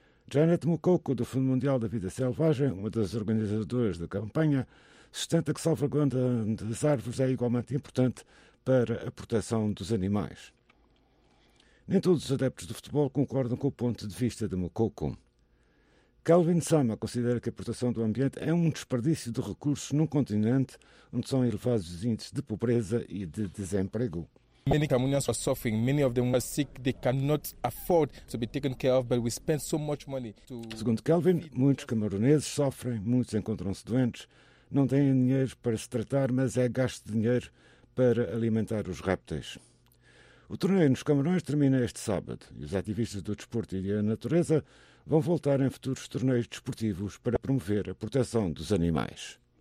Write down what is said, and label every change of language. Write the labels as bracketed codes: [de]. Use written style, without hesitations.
[pt] Janet Mukoko, do Fundo Mundial da Vida Selvagem, uma das organizadoras da campanha, sustenta que salvaguarda das árvores é igualmente importante para a proteção dos animais. Nem todos os adeptos do futebol concordam com o ponto de vista de Mukoko. Calvin Sama considera que a proteção do ambiente é um desperdício de recursos num continente onde são elevados os índices de pobreza e de desemprego. [en] Many Cameroonians are suffering. Many of them are sick. They cannot afford to be taken care of, but we spend so much money to. [pt] Segundo Calvin, muitos camaroneses sofrem, muitos encontram-se doentes, não têm dinheiro para se tratar, mas é gasto de dinheiro para alimentar os répteis. O torneio nos Camarões termina este sábado e os ativistas do desporto e da natureza vão voltar em futuros torneios desportivos para promover a proteção dos animais.